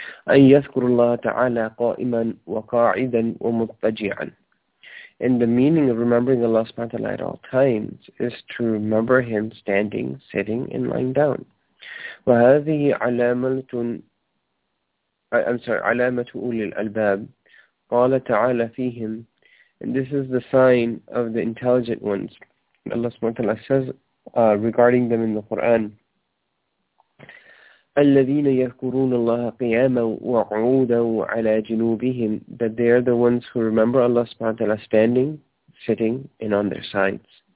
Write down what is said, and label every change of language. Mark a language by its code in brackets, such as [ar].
[ar] أن يذكر الله تعالى قائما وقاعدا ومضطجعا. [en] And the meaning of remembering Allah subhanahu wa ta'ala at all times is to remember Him standing, sitting, and lying down. [ar] وهذه علامة علامة أولي الألباب. قال تعالى فيهم. [en] And this is the sign of the intelligent ones. Allah subhanahu wa ta'ala says regarding them in the Quran. [ar] الذين يذكرون الله قياما وقعودا على جنوبهم. [en] That they are the ones who remember Allah subhanahu wa ta'ala standing, sitting, and on their sides.